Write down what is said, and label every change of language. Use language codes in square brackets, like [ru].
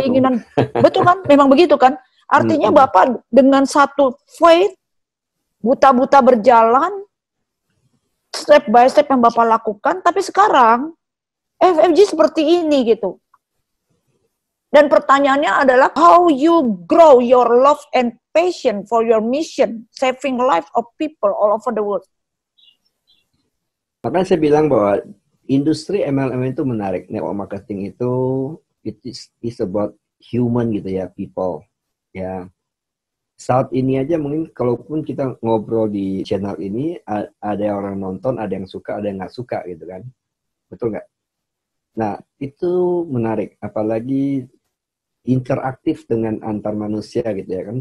[id] Keinginan, betul kan? Memang begitu kan? Artinya Bapak dengan satu faith, buta-buta berjalan, step by step yang Bapak lakukan, tapi sekarang FFG seperti ini gitu. Dan pertanyaannya adalah, [en] how you grow your love and passion for your mission, saving life of people all over the world? [id] Makanya saya bilang bahwa industri MLM itu menarik. [en] Network marketing itu, it is about human gitu ya, people. [id] Ya. Saat ini aja mungkin kalaupun kita ngobrol di channel ini, ada orang nonton, ada yang suka, ada yang nggak suka gitu kan. Betul nggak? Nah, itu menarik. Apalagi interaktif dengan antar manusia gitu ya kan.